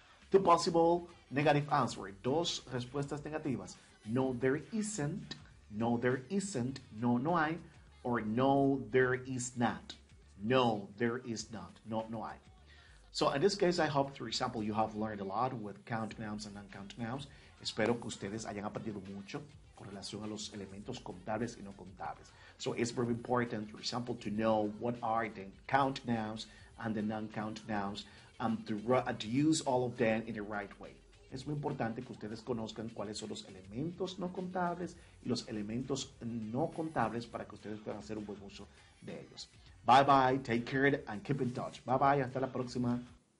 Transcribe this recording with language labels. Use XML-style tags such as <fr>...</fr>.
<en>Two possible negative answers.</en> <es>Dos respuestas negativas.</es> <en>No, there isn't. No, there isn't.</en> <es>No, no hay.</es> <en>Or no, there is not. No, there is not.</en> <es>No, no hay.</es> <en>So, in this case, I hope, for example, you have learned a lot with count nouns and non-count nouns.</en> <es>Espero que ustedes hayan aprendido mucho con relación a los elementos contables y no contables.</es> <en>So, it's very important, for example, to know what are the count nouns and the non-count nouns and to use all of them in the right way.</en> <es>Es muy importante que ustedes conozcan cuáles son los elementos no contables y los elementos no contables para que ustedes puedan hacer un buen uso de ellos.</es> <en>Bye bye, take care and keep in touch.</en> <es>Bye bye, hasta la próxima.</es>